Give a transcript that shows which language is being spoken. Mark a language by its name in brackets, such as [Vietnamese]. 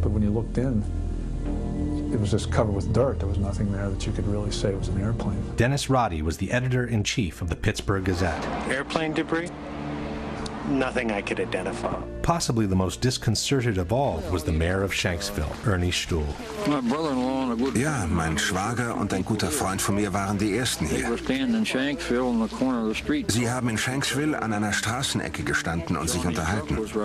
[English] But when you looked in, it was just covered with dirt. There was nothing there that you could really say was an airplane. Dennis Roddy was the editor-in-chief of the Pittsburgh Gazette. Airplane debris? Nothing I could identify. Possibly the most disconcerted of all was the mayor of Shanksville, Ernie Stuhl. My brother-in-law and a good [German] Yeah, mein Schwager und ein guter Freund von mir waren die ersten hier. [English] They were standing in Shanksville on the corner of the street. [German] Sie haben in Shanksville an einer Straßenecke gestanden und sich unterhalten.